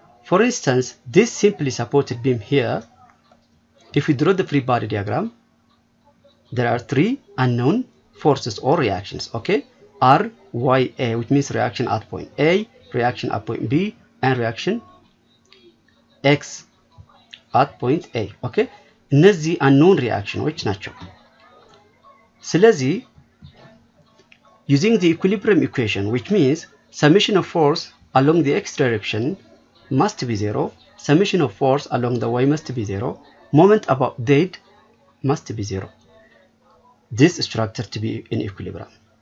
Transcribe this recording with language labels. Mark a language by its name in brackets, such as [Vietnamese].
[English] For instance, this simply supported beam here, if we draw the free body diagram, there are three unknown forces or reactions. Okay? R, Y, A, which means reaction at point A, reaction at point B, and reaction X at point A. Okay? [Amharic] እነዚ unknown reactionዎች ናቸው. [English] ስለዚህ using the equilibrium equation, which means summation of force along the X direction must be zero, summation of force along the Y must be zero, moment about Z must be zero, this structure to be in equilibrium.